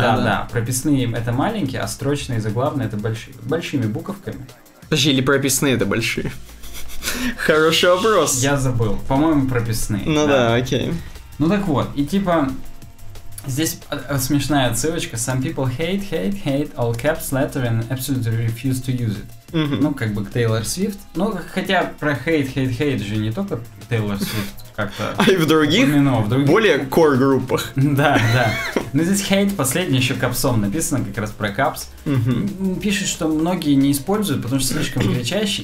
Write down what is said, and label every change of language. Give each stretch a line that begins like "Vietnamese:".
Russian: Да-да, прописные это маленькие, а строчные и заглавные это большие, большими буковками. Подожди, или прописные это большие? Хороший вопрос. Я забыл. По-моему, прописные. Ну да, окей. Ну так вот, и типа, Здесь смешная отсылочка.
English: Some people hate, hate, hate all caps letter and absolutely refuse to use it.
Russian: Ну, как бы к Taylor Swift. Ну, хотя про
English: hate, hate, hate
Russian: же не только Taylor Swift как-то. А и в других, более core группах. Да, да. Но здесь hate последний еще капсом написано, как раз про caps. Пишут, что многие не используют, потому что слишком кричащий.